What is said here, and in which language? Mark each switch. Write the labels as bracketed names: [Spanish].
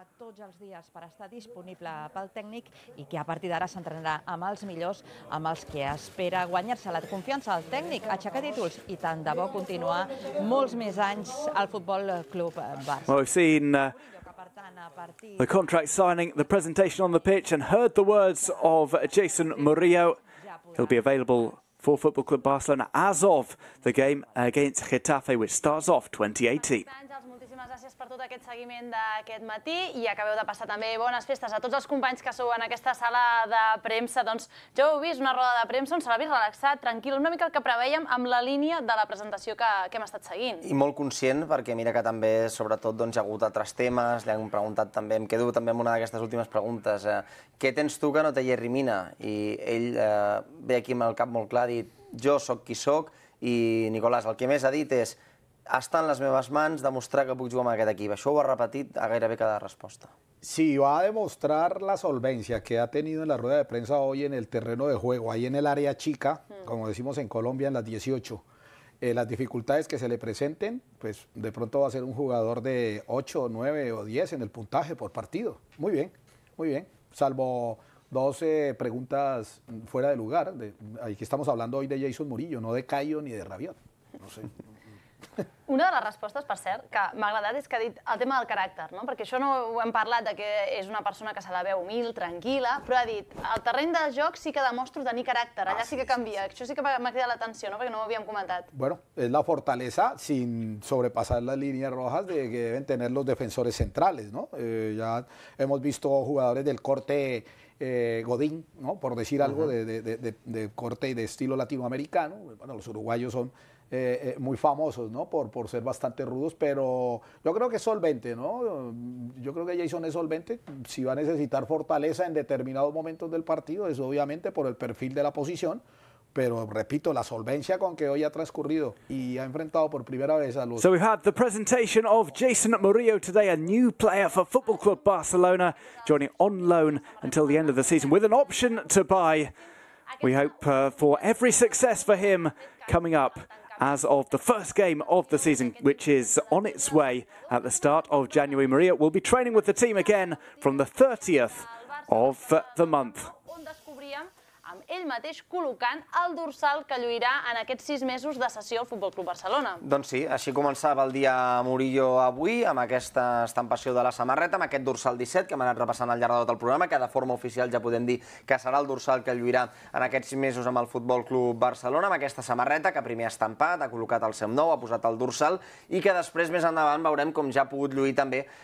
[Catalan] Tots els dies per estar disponible pel tècnic i que a partir d'ara s'entrenarà amb els millors, amb els que espera guanyar-se la confiança del tècnic, aixecar títols i tant de bo continuar molts més anys al Futbol Club Barça. [English] Well, we've seen the contract signing, the presentation on the pitch and heard the words of Jason Mourinho. He'll be available for Futbol Club Barcelona as of the game against Getafe, which starts off 2018. [Catalan] Gràcies per tot aquest seguiment d'aquest matí i acabeu de passar també bones festes a tots els companys que sou en aquesta sala de premsa. Doncs ja heu vist una roda de premsa on se l'ha vist relaxat, tranquil, una mica el que preveiem amb la línia de la presentació que hem estat seguint. I molt conscient, perquè mira que també, sobretot, doncs, hi ha hagut altres temes, li han preguntat també, em quedo també amb una d'aquestes últimes preguntes, què tens tu que no té Yerry Mina? I ell ve aquí amb el cap molt clar, dit, jo sóc qui sóc, i Nicolás, el que més ha dit és... Està en les meves mans demostrar que puc jugar amb aquest equip. Això ho ha repetit a gairebé cada resposta. [Spanish] Sí, va a demostrar la solvencia que ha tenido en la rueda de prensa hoy en el terreno de juego, ahí en el área chica, como decimos en Colombia, en las 18. Las dificultades que se le presenten, pues de pronto va a ser un jugador de 8, 9 o 10 en el puntaje por partido. Muy bien, muy bien. Salvo 12 preguntas fuera de lugar. Aquí estamos hablando hoy de Jason Mourinho, no de Caio ni de Rabiot. No sé... [Catalan] Una de les respostes, per cert, que m'ha agradat és que ha dit el tema del caràcter, no? Perquè això no ho hem parlat, de que és una persona que se la veu humil, tranquil·la, però ha dit, el terreny de joc sí que demostro tenir caràcter, allà sí que canvia, això sí que m'ha cridat l'atenció, no? Perquè no ho havíem comentat. [Spanish] Bueno, es la fortaleza sin sobrepasar las líneas rojas de que deben tener los defensores centrales, ¿no? Ya hemos visto jugadores del corte Godín, ¿no? Por decir algo, de corte y de estilo latinoamericano, bueno, los uruguayos son... muy famosos, ¿no? Por ser bastante rudos, pero yo creo que es solvente, ¿no? Yo creo que Jason es solvente. Si va a necesitar fortaleza en determinados momentos del partido, es obviamente por el perfil de la posición, pero repito, la solvencia con que hoy ha transcurrido y ha enfrentado por primera vez a los... [English] So we've had the presentation of Jason Mourinho today, a new player for Football Club Barcelona, joining on loan until the end of the season with an option to buy. We hope for every success for him coming up as of the first game of the season, which is on its way at the start of January. Mourinho will be training with the team again from the 30th of the month. [Catalan] On descobríem amb ell mateix col·locant el dorsal que lluirà en aquests 6 mesos de sessió al Futbol Club Barcelona. Doncs sí, així començava el dia Mourinho avui, amb aquesta estampació de la samarreta, amb aquest dorsal 17, que hem anat repassant al llarg de tot el programa, que de forma oficial ja podem dir que serà el dorsal que lluirà en aquests 6 mesos amb el Futbol Club Barcelona, amb aquesta samarreta, que primer ha estampat, ha col·locat el seu nou, ha posat el dorsal, i que després, més endavant, veurem com ja ha pogut lluir també